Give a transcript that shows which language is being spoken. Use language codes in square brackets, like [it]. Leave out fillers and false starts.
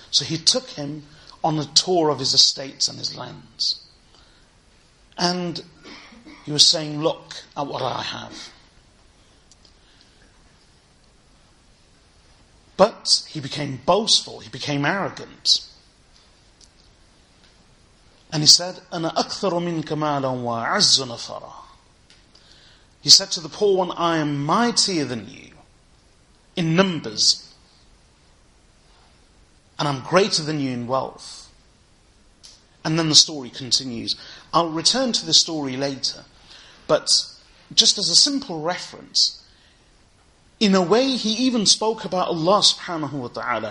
[en] So he took him on a tour of his estates and his lands. And he was saying, look at what I have. But he became boastful, he became arrogant. [ar] And he said, أَنَا أَكْثَرُ مِنْكَ مَالًا وَعَزُّ نَفَرًا. [en] He said to the poor one, I am mightier than you in numbers, and I'm greater than you in wealth. And then the story continues. I'll return to the story later, but just as a simple reference, in a way he even spoke about Allah subhanahu wa ta'ala.